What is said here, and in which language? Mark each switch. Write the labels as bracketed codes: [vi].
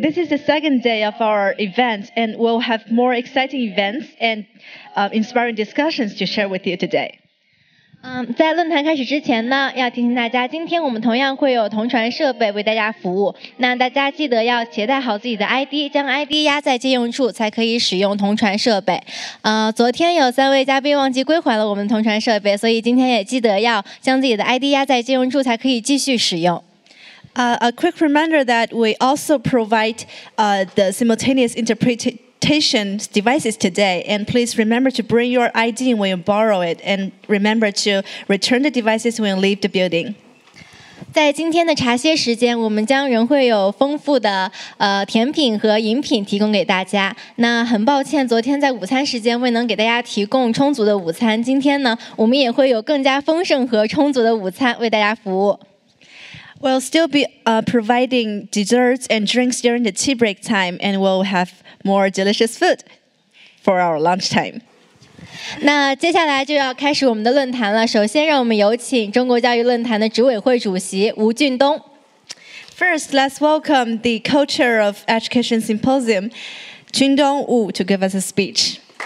[en] This is the second day of our event, and we'll have more exciting events and inspiring discussions to share with you today. [zh] 在论坛开始之前呢，要提醒大家，今天我们同样会有同传设备为大家服务。那大家记得要携带好自己的 ID， 将 ID 压在借用处才可以使用同传设备。昨天有三位嘉宾忘记归还了我们同传设备，所以今天也记得要将自己的 ID 压在借用处才可以继续使用。 [en] A quick reminder that we also provide the simultaneous interpretation devices today, and please remember to bring your ID when you borrow it, and remember to return the devices when you leave the building. [zh] 在今天的茶歇时间，我们将仍会有丰富的甜品和饮品提供给大家。那很抱歉，昨天在午餐时间未能给大家提供充足的午餐，今天呢，我们也会有更加丰盛和充足的午餐为大家服务。 [en] We'll still be providing desserts and drinks during the tea break time, and we'll have more delicious food for our lunch time. [zh] 那接下来就要开始我们的论坛了。首先，让我们有请中国教育论坛的执委会主席吴俊东。 [en] First, let's welcome the co-chair of Education Symposium, Jun Dong Wu, to give us a speech.